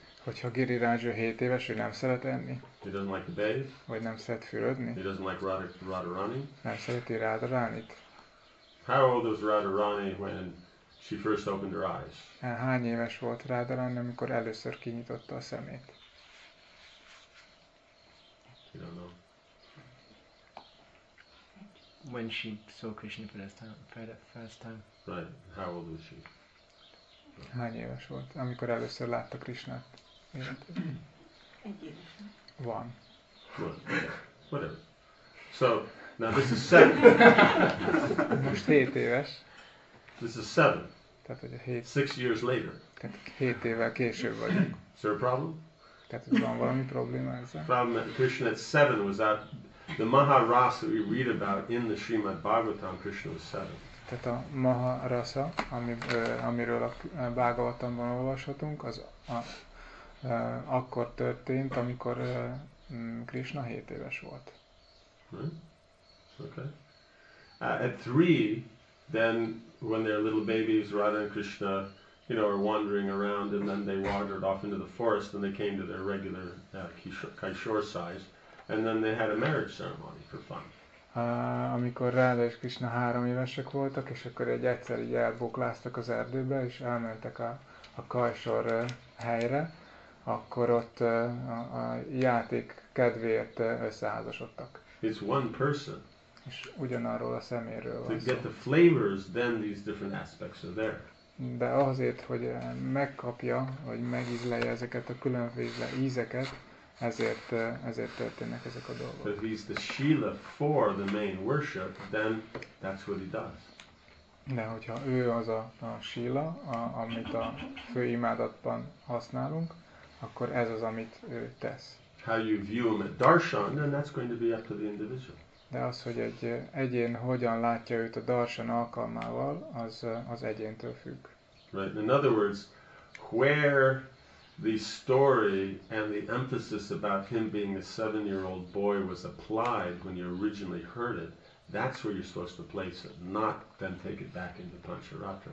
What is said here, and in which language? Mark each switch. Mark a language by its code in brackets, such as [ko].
[hu] Hogyha Giriraj 7 éves, ő nem szeret enni. [en] He doesn't like to bathe. [hu] Vagy nem szeret fürödni. [en] He doesn't like Radharani. [hu] Nem szereti Radharanit. [en] How old was Radharani when she first opened her eyes? [hu] Hány éves volt Radharani, amikor először kinyitotta a szemét? [en] You don't know. When she saw Krishna for the first time. Right. How old was she? [hu] Hány éves volt, amikor először látta Krishnát? Egy éves. Van. [en] Whatever. So, now this is 7. [hu] Most 7 éves. [en] This is 7. [hu] Tehát, hogy a 7. [en] 6 years later. [hu] Tehát 7 évvel később vagyunk. [en] Is there a problem? [hu] Tehát, hogy van valami probléma ezzel? [en] Problem that Krishna at 7 was that the Maharasa that we read about in the Srimad Bhagavatam, Krishna was 7. [hu] Tehát a Maharasa, amiről a Bhagavatamban olvashatunk, az akkor történt, amikor Krishna 7 éves volt. [en] Okay. At 3, then when they're little babies, Radha and Krishna, you know, are wandering around and then they wandered off into the forest and they came to their regular Kishore size and then they had a marriage ceremony for fun. [hu] Amikor Radha és Krishna 3 évesek voltak, és akkor egy egyszer így elbukláztak az erdőbe, és elmentek a Kajsor helyre, akkor ott a játék kedvéért összeházasodtak. [en] It's one person. [hu] És ugyanarról a szeméről van szó. [en] To get the flavors, then these different aspects are there. [hu] De azért, hogy megkapja, vagy megízlelje ezeket a különféle ízeket, ezért történnek ezek a dolgok. [en] If he's the Shila for the main worship, then that's what he does. [hu] De hogyha ő az a Shila, amit a fő imádatban használunk, akkor ez az, amit ő tesz. [en] How you view him at darshan, then that's going to be up to the individual. [hu] De az, hogy egy egyén hogyan látja őt a darshan alkalmával, az egyéntől függ. [en] Right. In other words, where the story and the emphasis about him being a 7-year-old boy was applied when you originally heard it, that's where you're supposed to place it, not then take it back into Pancharatra.